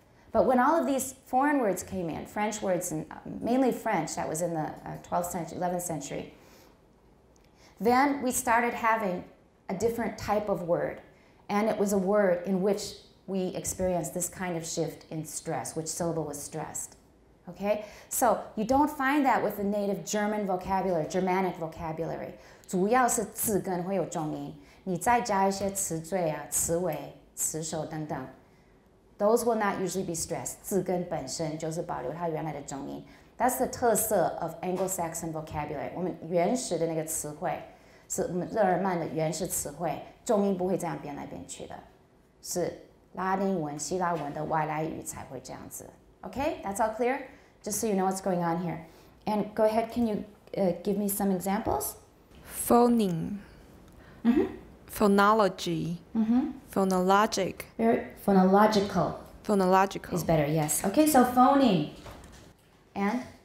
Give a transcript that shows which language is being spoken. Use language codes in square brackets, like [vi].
[en] But when all of these foreign words came in, French words, and mainly French, that was in the 12th century, 11th century, then we started having a different type of word. And it was a word in which we experienced this kind of shift in stress, which syllable was stressed. Okay? So you don't find that with the native German vocabulary, Germanic vocabulary. [zh] 主要是字根会有重音。你再加一些词缀啊、词尾、词首等等。 [en] Those will not usually be stressed. [zh] 字根本身就是保留它原来的重音。 [en] That's the [zh] 特色 [en] of Anglo-Saxon vocabulary. [zh] 我们原始的那个词汇是我们日耳曼的原始词汇，重音不会这样变来变去的。是拉丁文、希腊文的外来语才会这样子。 [en] Okay, that's all clear? Just so you know what's going on here. And go ahead, can you give me some examples? Phoneme. Mm-hmm. Phonology. Mm-hmm. Phonologic. Phonological. Phonological. Is better, yes. Okay, so phoneme. And?